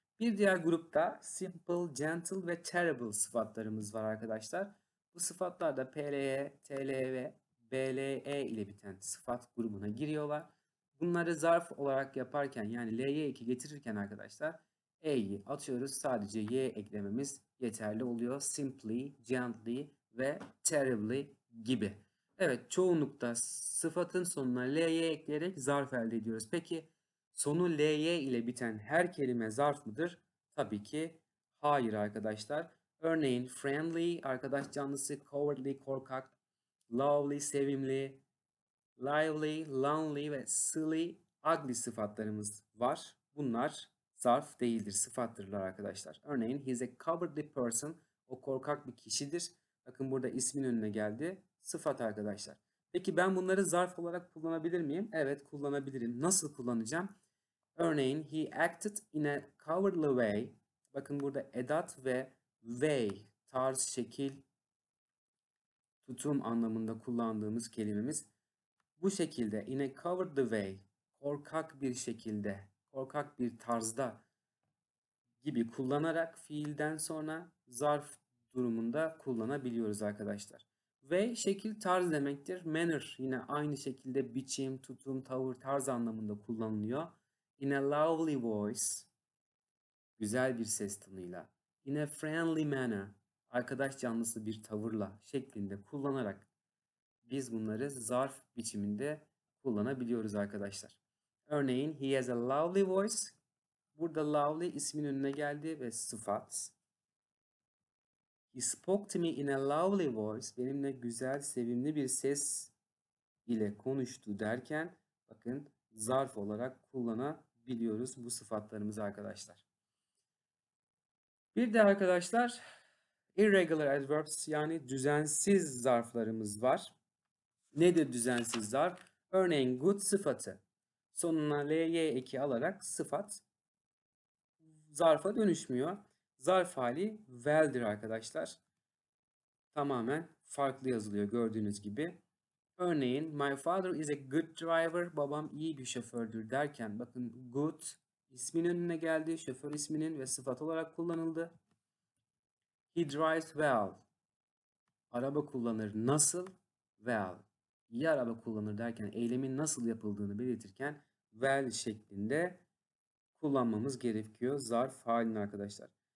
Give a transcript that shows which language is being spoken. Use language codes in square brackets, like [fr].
[tr] Bir diğer grupta simple, gentle ve terrible sıfatlarımız var arkadaşlar. Bu sıfatlar da PLE, TLE ve BLE ile biten sıfat grubuna giriyorlar. Bunları zarf olarak yaparken yani L'ye eki getirirken arkadaşlar E'yi atıyoruz. Sadece Y eklememiz yeterli oluyor. Simply, gently ve terribly gibi. Evet, çoğunlukta sıfatın sonuna L'ye ekleyerek zarf elde ediyoruz. Peki sonu L'ye ile biten her kelime zarf mıdır? Tabii ki hayır arkadaşlar. Örneğin friendly, arkadaş canlısı, cowardly, korkak, lovely, sevimli, lively, lonely ve silly, ugly sıfatlarımız var. Bunlar zarf değildir, sıfattırlar arkadaşlar. Örneğin he's a cowardly person, o korkak bir kişidir. Bakın burada ismin önüne geldi, sıfat arkadaşlar. Peki ben bunları zarf olarak kullanabilir miyim? Evet, kullanabilirim. Nasıl kullanacağım? [en] Örneğin he acted in a cowardly way. [tr] Bakın burada edat ve way, tarz, şekil, tutum anlamında kullandığımız kelimemiz. Bu şekilde, in a cowardly way, korkak bir şekilde, korkak bir tarzda gibi kullanarak fiilden sonra zarf durumunda kullanabiliyoruz arkadaşlar. Way, şekil, tarz demektir. Manner, yine aynı şekilde biçim, tutum, tavır, tarz anlamında kullanılıyor. In a lovely voice, güzel bir ses tonuyla. In a friendly manner, arkadaş canlısı bir tavırla şeklinde kullanarak biz bunları zarf biçiminde kullanabiliyoruz arkadaşlar. [en] Örneğin he has a lovely voice. [tr] Burada lovely ismin önüne geldi ve sıfat. [en] He spoke to me in a lovely voice. [tr] Benimle güzel, sevimli bir ses ile konuştu derken bakın zarf olarak kullanabiliyoruz bu sıfatlarımızı arkadaşlar. Bir de arkadaşlar irregular adverbs yani düzensiz zarflarımız var. Nedir düzensiz zarf? Örneğin good sıfatı sonuna l'ye eki alarak sıfat zarfa dönüşmüyor. Zarf hali well'dir arkadaşlar. Tamamen farklı yazılıyor gördüğünüz gibi. [en] Örneğin my father is a good driver. [tr] Babam iyi bir şofördür derken bakın good İsmin önüne geldi, şoför isminin ve sıfat olarak kullanıldı. He drives well. Araba kullanır nasıl? Well. İyi araba kullanır derken, eylemin nasıl yapıldığını belirtirken well şeklinde kullanmamız gerekiyor zarf halini arkadaşlar.